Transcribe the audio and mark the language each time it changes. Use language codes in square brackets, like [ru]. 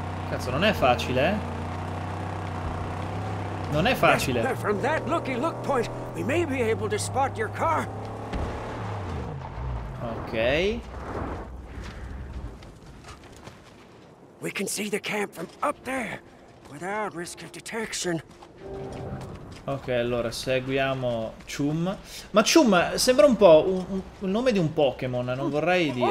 [it] Cazzo, non è facile, Non è facile. [en] From that lucky look point, we may be able to spot your car. Ok. We can see the camp from up there without risk of detection. [it] Ok, allora seguiamo Chum. Ma Chum sembra un po' un nome di un Pokémon, non vorrei dire.